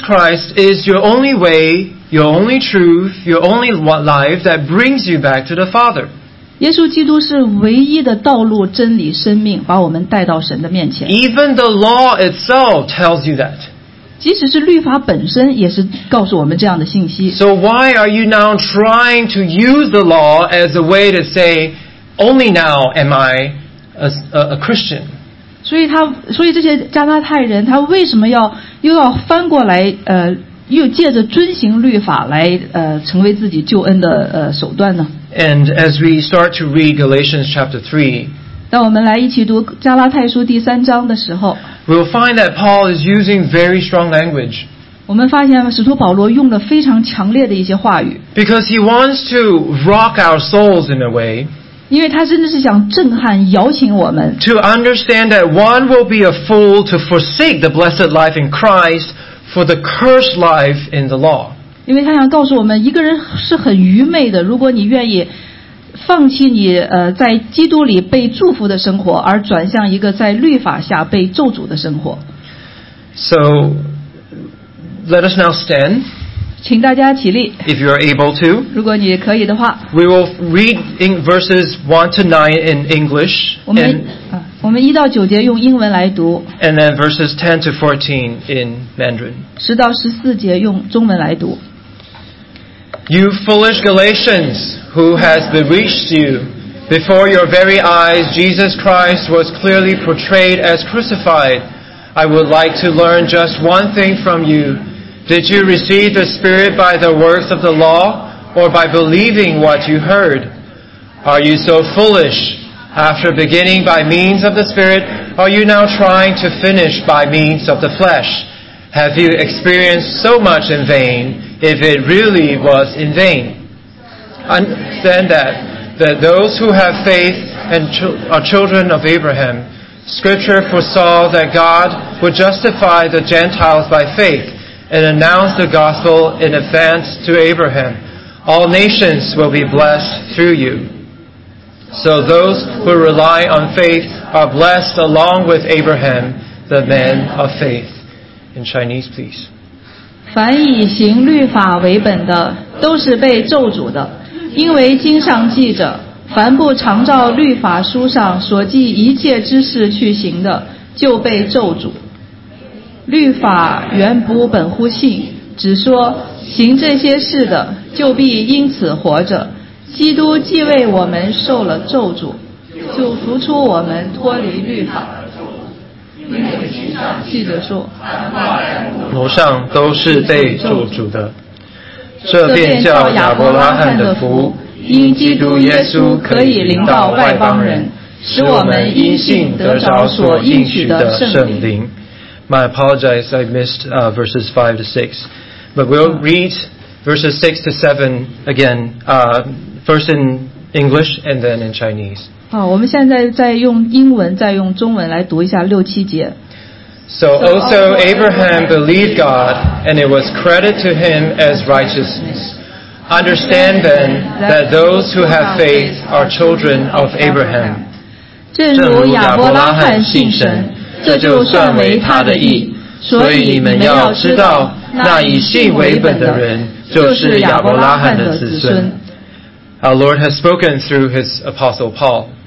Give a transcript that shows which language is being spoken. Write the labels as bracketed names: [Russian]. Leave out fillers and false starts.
[English] Christ is your only way, your only truth, your only life that brings you back to the Father. [Chinese] 耶稣基督是唯一的道路、真理、生命，把我们带到神的面前。 [English] Even the law itself tells you that. [Chinese] 即使是律法本身也是告诉我们这样的信息。 [English] So why are you now trying to use the law as a way to say, only now am I a Christian? [Chinese] 所以这些加拉太人他为什么要又要翻过来，又借着遵行律法来成为自己救恩的手段呢？ [English] And as we start to read Galatians chapter 3, [Chinese] 当我们来一起读加拉太书第三章的时候， [English] we'll find that Paul is using very strong language. [Chinese] 我们发现使徒保罗用了非常强烈的一些话语。 [English] Because he wants to rock our souls in a way. [Chinese] 因为他真的是想震撼摇醒我们。 [English] To understand that one will be a fool to forsake the blessed life in Christ for the cursed life in the law. [Chinese] 因为他想告诉我们，一个人是很愚昧的，如果你愿意 放弃你在基督里被祝福的生活，而转向一个在律法下被咒诅的生活。 [English] So, let us now stand. [Chinese] 请大家起立。 [English] If you are able to, [Chinese] 如果你可以的话。 [English] We will read in verses 1-9 in English. [Chinese] 我们一到九节用英文来读。 [English] And then verses 10-14 in Mandarin. [Chinese] 十到十四节用中文来读。 [English] You foolish Galatians, who has bewitched you? Before your very eyes, Jesus Christ was clearly portrayed as crucified. I would like to learn just one thing from you. Did you receive the Spirit by the works of the law, or by believing what you heard? Are you so foolish? After beginning by means of the Spirit, are you now trying to finish by means of the flesh? Have you experienced so much in vain, if it really was in vain? Understand that those who have faith and are children of Abraham, Scripture foresaw that God would justify the Gentiles by faith and announce the gospel in advance to Abraham. All nations will be blessed through you. So those who rely on faith are blessed along with Abraham, the man of faith. In Chinese, please. [Chinese] 凡以行律法为本的都是被咒诅的。因为经上记着，凡不常照律法书上所记一切之事去行的，就被咒诅。律法原不本乎信，只说行这些事的，就必因此活着。基督既为我们受了咒诅，就赎出我们脱离律法。因为经上记着说，凡不常照律法书上都是被咒诅的。这便叫亚伯拉罕的福，因基督耶稣可以领到外邦人，使我们因信得着所应许的圣灵。 [English] My apologies, I missed verses 5 to 6. But we'll read verses 6 to 7 again, first in English and then in Chinese. [Chinese] 好，我们现在再用英文，再用中文来读一下六七节。 [English] So also Abraham believed God, and it was credited to him as righteousness. Understand then that those who have faith are children of Abraham. [Chinese] 正如亚伯拉罕信神，这就算为他的义。所以你们要知道，那以信为本的人，就是亚伯拉罕的子孙。 [English] Our Lord has spoken through his apostle Paul.